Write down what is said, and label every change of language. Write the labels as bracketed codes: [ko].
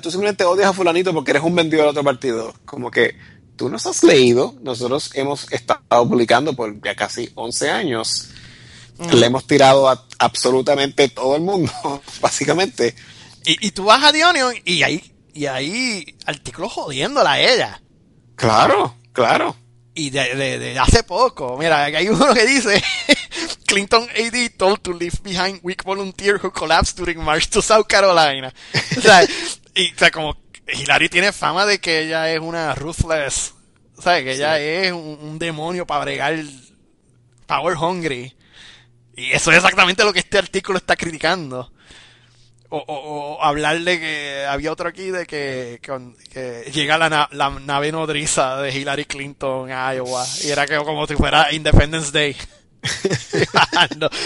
[es] Tú simplemente odias a fulanito porque eres un vendido del otro partido. Como que tú nos has leído, nosotros hemos estado publicando por ya casi 11 años. Le hemos tirado a absolutamente todo el mundo, básicamente. Y tú vas a The Onion y ahí artículos jodiéndola a ella. Claro, claro. Y de hace poco, mira, hay uno que dice. [en] Clinton AD told to leave behind weak volunteer who collapsed during march to South Carolina. [es] O sea, como Hillary tiene fama de que ella es una ruthless, o sea, que ella es un demonio para bregar power hungry. Y eso es exactamente lo que este artículo está criticando. O hablarle que había otro aquí de que llega la nave nodriza de Hillary Clinton a Iowa y era como si fuera Independence Day. No.